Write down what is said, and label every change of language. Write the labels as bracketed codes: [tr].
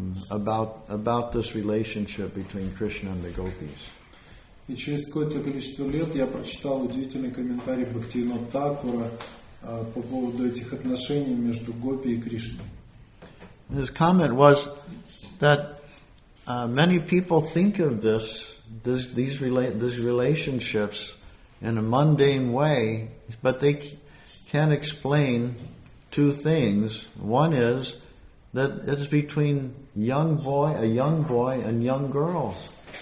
[en] About this relationship between Krishna and the gopis. [ru] И через какое-то количество лет я прочитал удивительный комментарий Бхактивинода Такура по поводу этих отношений между гопи и Кришной. [en] His comment was that many people think of these relationships in a mundane way, but they can't explain two things. One is that it's between a young boy and young girls.